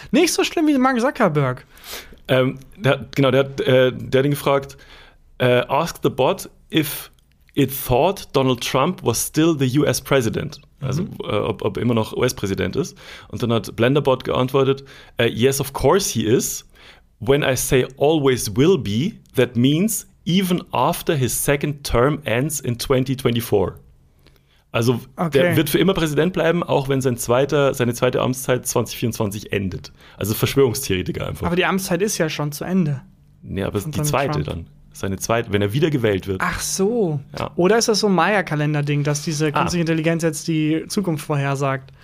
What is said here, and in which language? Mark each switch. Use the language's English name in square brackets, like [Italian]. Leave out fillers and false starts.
[German] Nicht so schlimm wie Mark Zuckerberg. Der hat ihn gefragt, [English] ask the bot if it thought Donald Trump was still the US president. [German] Also ob er immer noch US-Präsident ist. Und dann hat BlenderBot geantwortet, [English] yes, of course he is. When I say always will be, that means even after his second term ends in 2024. [German] Also, okay. Der wird für immer Präsident bleiben, auch wenn seine zweite Amtszeit 2024 endet. Also Verschwörungstheoretiker einfach. Aber die Amtszeit ist ja schon zu Ende. Nee, aber die zweite Trump. Dann. Seine zweite, wenn er wiedergewählt wird. Ach so. Ja. Oder ist das so ein Maya-Kalender-Ding, dass diese künstliche Intelligenz jetzt die Zukunft vorhersagt?